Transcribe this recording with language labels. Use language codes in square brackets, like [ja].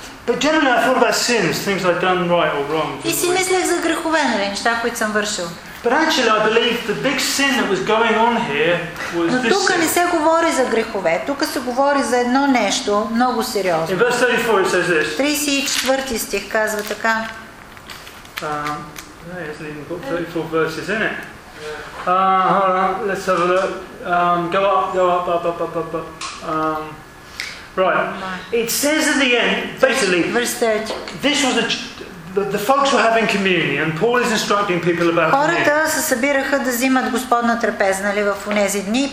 [en] But generally, I thought about sins, things I've done right or wrong. [bg] И си мислех за грехове, нали, неща, които съм вършил. [en] But actually, I believe the big sin that was going on here was this. [bg] Но тук не се говори за грехове, тук се говори за едно нещо много сериозно. [en] In verse 34, it says this. [bg] 34 стих казва така. [en] It's even got 34 verses in it. Hold on, let's have a look. Go up. Right. It says at the end, basically, this was the folks were having communion. Paul is instructing people about. [bg] Хората се събираха да взимат Господна трапеза, нали, в онези дни.